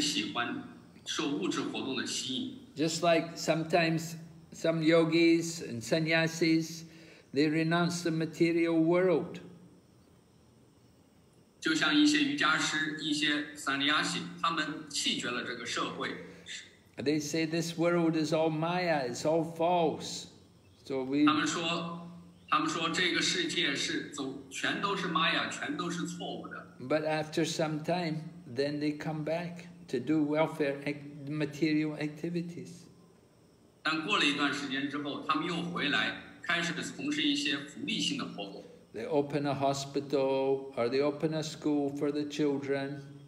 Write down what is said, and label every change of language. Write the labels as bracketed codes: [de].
[zh] 有一些人或许是一个伟大的瑜伽师，他做了很多的冥想，这个超灵，但是仍然他还是喜欢受物质活动的吸引。 [en] Just like sometimes some yogis and sannyasis, they renounce the material world. [zh] 就像一些瑜伽师，一些sannyasi，他们弃绝了这个社会。 [en] They say this world is all Maya, it's all false. So we. [zh] 他们说。他们说这个世界是全都是Maya，全都是错误的。 [en] But after some time, then they come back to do welfare material activities. [zh] 但过了一段时间之后，他们又回来，开始从事一些福利性的活动。 [en] They open a hospital or they open a school for the children.